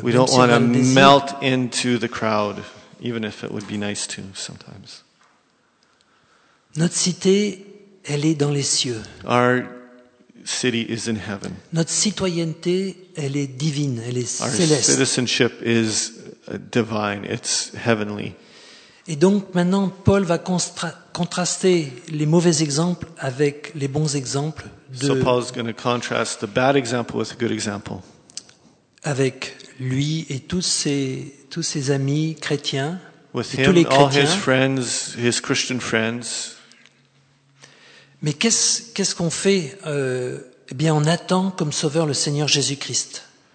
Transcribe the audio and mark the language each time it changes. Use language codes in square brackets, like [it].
[en] We don't want to melt into the crowd, even if it would be nice to sometimes. [fr] Notre cité, elle est dans les cieux. [en] Our city is in heaven. [fr] Notre citoyenneté, elle est divine, elle est [en] our [fr] céleste. [en] Our citizenship is divine, it's heavenly. [fr] Et donc maintenant, Paul va contraster les mauvais exemples avec les bons exemples. [en] So Paul's going to contrast the bad example with a good example. [fr] Avec lui et tous ses amis chrétiens. [en] With [fr] et [en] him, [fr] tous les chrétiens. [en] All his friends, his Christian friends. [fr] Mais qu'est-ce qu'on fait? Eh bien, on attend comme sauveur le Seigneur Jésus-Christ.